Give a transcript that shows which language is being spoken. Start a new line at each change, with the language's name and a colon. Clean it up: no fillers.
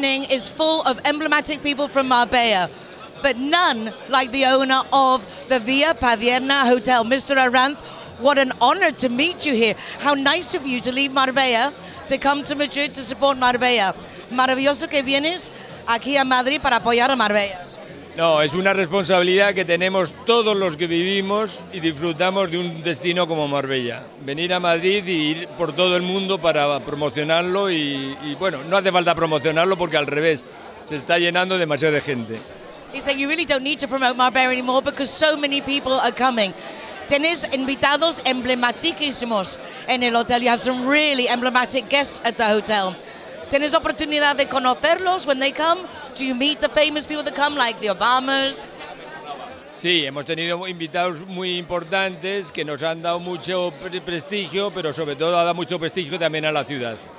English: is full of emblematic people from Marbella, but none like the owner of the Villa Padierna Hotel, Mr. Aranth. What an honor to meet you here. How nice of you to leave Marbella to come to Madrid to support Marbella.
Spanish: Maravilloso que vienes aquí a Madrid para apoyar a Marbella. No, es una responsabilidad que tenemos todos los que vivimos y disfrutamos de un destino como Marbella. Venir a Madrid y ir por todo el mundo para promocionarlo y bueno, no hace falta promocionarlo porque al revés, se está llenando demasiado de gente.
English: He said you really don't need to promote Marbella anymore because so many people are coming.
Spanish: Tienes invitados emblemáticos en el hotel.
English: You have some really emblematic guests at the hotel.
Spanish: ¿Tienes oportunidad de conocerlos
English: when they come? Do you meet the famous people that come, like the Obamas?
Spanish: Sí, hemos tenido invitados muy importantes que nos han dado mucho prestigio, pero sobre todo ha dado mucho prestigio también a la ciudad.